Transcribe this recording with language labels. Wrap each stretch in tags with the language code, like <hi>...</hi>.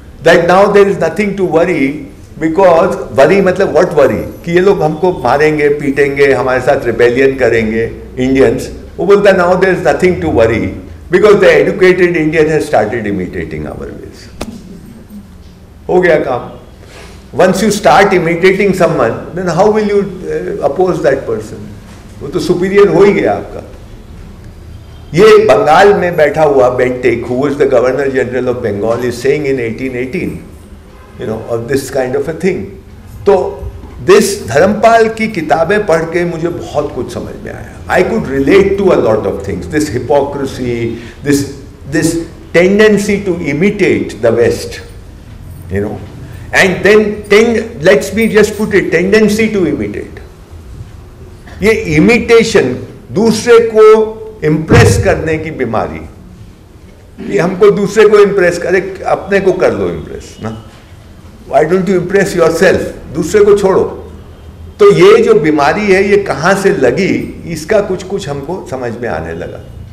<en>that now there is nothing to worry because worry मतलब what worry</en> <hi>कि ये लोग हमको मारेंगे पीटेंगे हमारे साथ रिबेलियन करेंगे इंडियंस वो बोलता है</hi> <en>now there is nothing to worry because the educated Indian has started imitating our ways</en> <hi>हो गया काम</hi> <en>Once you start imitating someone, then how will you oppose that person?</en> <hi>वो तो superior हो ही गया आपका. ये बंगाल में बैठा हुआ Bentinck,</hi> <en>who was the Governor General of Bengal, is saying in 1818, you know, of this kind of a thing.</en> <hi>तो this धर्मपाल की किताबें पढ़ के मुझे बहुत कुछ समझ में आया.</hi> <en>I could relate to a lot of things. This hypocrisy, this tendency to imitate the West, you know. And then let's be just put it tendency to imitate.</en> <hi>ये imitation दूसरे को impress करने की बीमारी ये हमको दूसरे को impress करे अपने को कर लो impress ना</hi> <en>why don't you impress yourself</en> <hi>दूसरे को छोड़ो तो ये जो बीमारी है ये कहाँ से लगी इसका कुछ कुछ हमको समझ में आने लगा</hi>